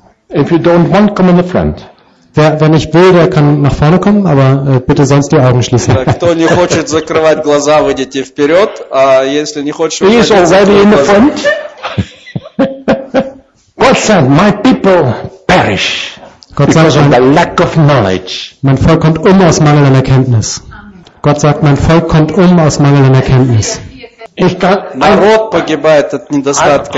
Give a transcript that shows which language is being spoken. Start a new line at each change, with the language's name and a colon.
English: If you don't want, come in the front.
German: Wer nicht will, der kann nach vorne kommen, aber bitte sonst die Augen schließen.
Russian: Кто не хочет закрывать глаза, выйдите вперед. А если не хочешь, выйдите вперед.
English: He is already in the front. God said, my people perish.
German: Gott sagt,
English: because of the lack of knowledge.
German: Mein Volk kommt um aus Mangel an Erkenntnis. Gott sagt, mein Volk kommt um aus Mangel an Erkenntnis. Ich kann,
Russian: народ погибает от недостатка.